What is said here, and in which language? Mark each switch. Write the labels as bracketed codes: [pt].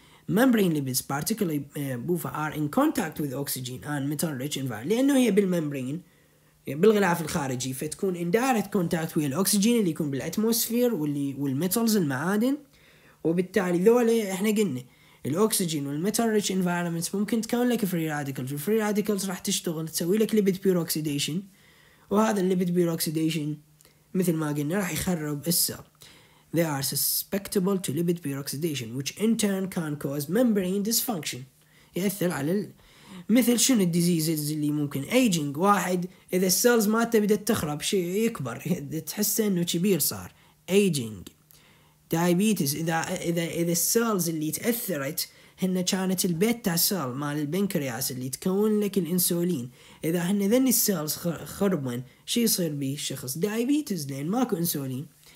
[en] membrane lipids particularly PUFA are in contact with oxygen and metal rich environment, [ar] لأنه هي بالممبرين بالغلاف الخارجي فتكون [en] in direct contact with [ar] الأكسجين اللي يكون بالأتموسفير واللي والميتالز المعادن, وبالتالي ذولا إحنا قلنا الأكسجين والميتال ريتش انفايرمنت ممكن تكون لك فري راديكلز, والفري راديكلز راح تشتغل تسوي لك ليبيد بيروكسيديشن, وهذا الليبيد بيروكسيديشن مثل ما قلنا راح يخرب السيل. [en] they are susceptible to lipid peroxidation which in turn can cause membrane dysfunction, [ar] يأثر على مثل شنو الديزيزز اللي ممكن [en] aging. [ar] واحد اذا السيلز ما تبدأ تخرب شيء يكبر تحسه انه كبير صار aging. diabetes إذا السيلز اللي تأثرت هن كانت البيتا سيل مال البنكرياس اللي تكون لك الإنسولين, إذا هن ذن السيلز خربن شي يصير به الشخص diabetes لأن ماكو إنسولين.